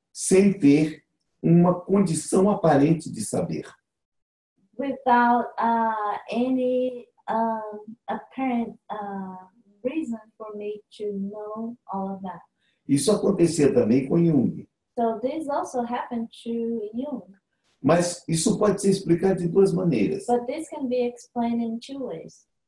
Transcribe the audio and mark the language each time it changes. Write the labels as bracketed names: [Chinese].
[Portuguese] Sem ter uma condição aparente de saber. [English] Without any apparent reason for me to know all of that. [Portuguese] Isso acontecia também com Jung. [English] So this also happened to Jung. [Portuguese] Mas isso pode ser explicado de duas maneiras. [English] But this can be explained in two ways.